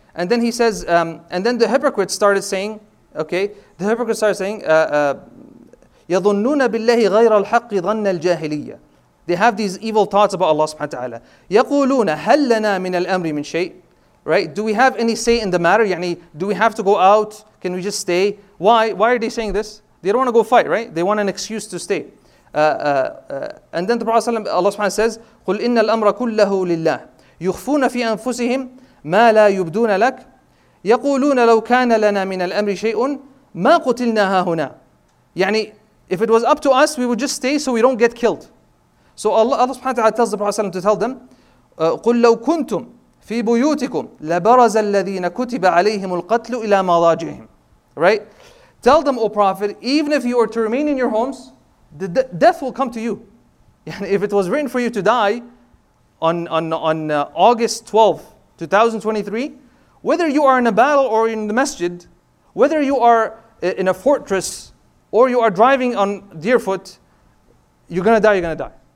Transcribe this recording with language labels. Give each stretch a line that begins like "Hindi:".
English: And then he says, and then the hypocrites started saying, okay, the hypocrites started saying,
Arabic: يَظُنُّونَ بِاللَّهِ غَيْرَ الْحَقِّ ظَنَّ الْجَاهِلِيَّةِ.
English: They have these evil thoughts about Allah subhanahu wa ta'ala.
Arabic: يَقُولُونَ هَلْ لَنَا مِنَ الْأَمْرِ مِنْ شَيْءٍ. Right?
English: Do we have any say in the matter? يعني, do we have to go out? Can we just stay? Why? Why are they saying this? They don't want to go fight, right? They want an excuse to stay. And then the Prophet Allah subhanahu wa ta'ala says,
Arabic: قُلْ إِنَّ الْأَمْرَ كُلَّهُ لِلَّهِ يُخْفُونَ فِي أَنفُسِهِمْ مَا لَا يُبْدُونَ لَكَ يَقُولُونَ لَوْ كَانَ لَنَا مِنَ الْأَمْرِ شَيْءٌ مَا قُتِلْنَا هَاهُنَا.
English: يعني, if it was up to us, we would just stay so we don't get killed. So Allah subhanahu wa ta'ala tells the Prophet to tell them,
Arabic: قُلْ لَوْ كُنْتُمْ فِي بُيُوتِكُمْ لَبَرَزَ الَّذِينَ كُتِبَ عَلَيْهِمُ الْقَتْلُ إِلَى مَضَاجِعِهِمْ.
English: Right? Tell them, O Prophet, even if you are to remain in your homes, the death will come to you. If it was written for you to die on August 12, 2023, whether you are in a battle or in the masjid, Whether you are in a fortress or you are driving on deer foot, you're going to die, you're going to die.